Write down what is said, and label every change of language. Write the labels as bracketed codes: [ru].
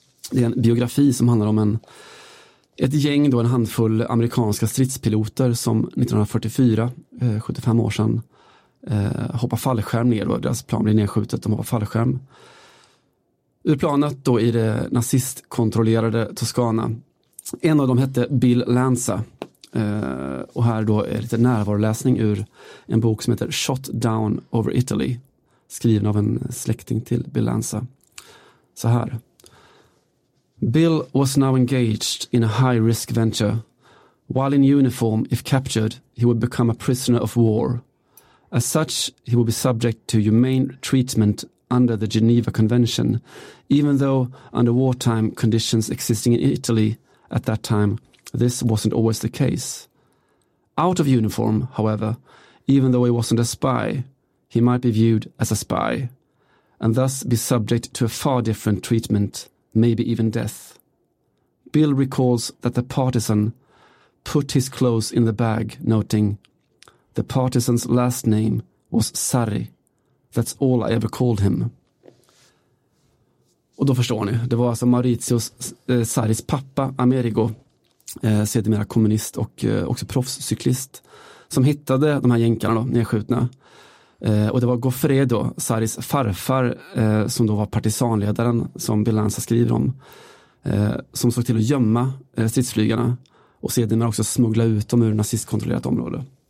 [sv] Det är en biografi som handlar om ett gäng, då en handfull amerikanska stridspiloter som 1944, 75 år sedan, hoppar fallskärm ner, och deras plan blir nedskjutet, de hoppar fallskärm ur planet då i det nazistkontrollerade Toscana. En av dem hette Bill Lanza. Och här då är lite närvaroläsning ur en bok som heter Shot Down Over Italy, skriven av en släkting till Bill Lanza. Så här: [en] Bill was now engaged in a high-risk venture. While in uniform, if captured, he would become a prisoner of war. As such, he would be subject to humane treatment under the Geneva Convention, even though under wartime conditions existing in Italy at that time, this wasn't always the case. Out of uniform, however, even though he wasn't a spy, he might be viewed as a spy, and thus be subject to a far different treatment, maybe even death. Bill recalls that the partisan put his clothes in the bag, noting, "The partisan's last name was Sarri. That's all I ever called him." [sv] Och då förstår ni, det var alltså Maurizio Sarris pappa, Amerigo, sedermera kommunist och också proffscyklist, som hittade de här jänkarna då, nedskjutna. Och det var Goffredo, Sarris farfar, som då var partisanledaren, som Bill Lanza skriver om, som såg till att gömma stridsflygarna och sedermera också smuggla ut dem ur nazistkontrollerat område.